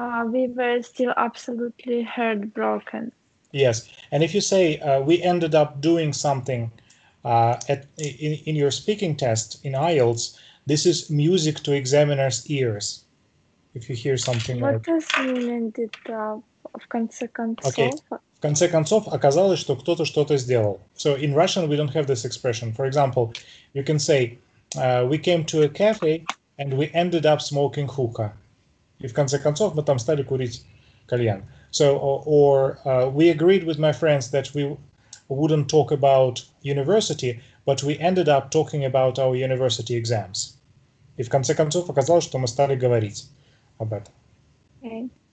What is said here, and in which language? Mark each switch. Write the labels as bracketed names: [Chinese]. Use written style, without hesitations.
[English] We were still absolutely heartbroken. Yes. And if you say we ended up doing something, in your speaking test in IELTS, this is music to examiner's ears. If you hear something what like... What does mean ended up, [Russian] в конце концов? [English] Okay. [Russian] В конце концов, оказалось, что кто-то что-то сделал. [English] So in Russian, we don't have this expression. For example, you can say, we came to a cafe and we ended up smoking hookah. [Russian] И в конце концов, мы там стали курить кальян. [English] So, or we agreed with my friends that we wouldn't talk about university, but we ended up talking about our university exams. [Russian] И в конце концов оказалось, что мы стали говорить об этом.